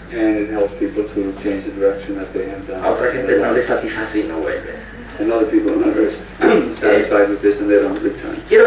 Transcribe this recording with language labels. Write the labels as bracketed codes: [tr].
[en] And it helps people to change the direction that they have done. [es] A otra gente no le satisface y no vuelve. [en] And other people are not very satisfied with this and they don't return.